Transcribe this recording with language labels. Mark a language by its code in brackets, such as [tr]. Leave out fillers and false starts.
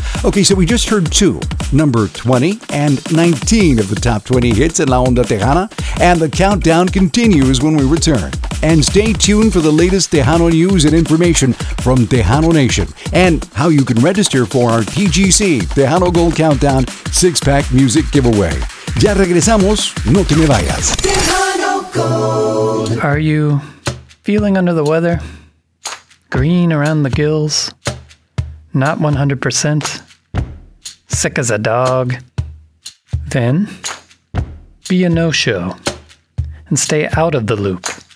[en] Okay, so we just heard two, number 20 and 19 of the top 20 hits in La Onda Tejana, and the countdown continues when we return. And stay tuned for the latest Tejano news and information from Tejano Nation, and how you can register for our TGC, Tejano Gold Countdown, six-pack music giveaway. [es] Ya regresamos, no te me vayas. [en] Tejano Gold. Are you feeling under the weather? Green around the gills? Not 100%. Sick as a dog. Then, be a no-show and stay out of the loop.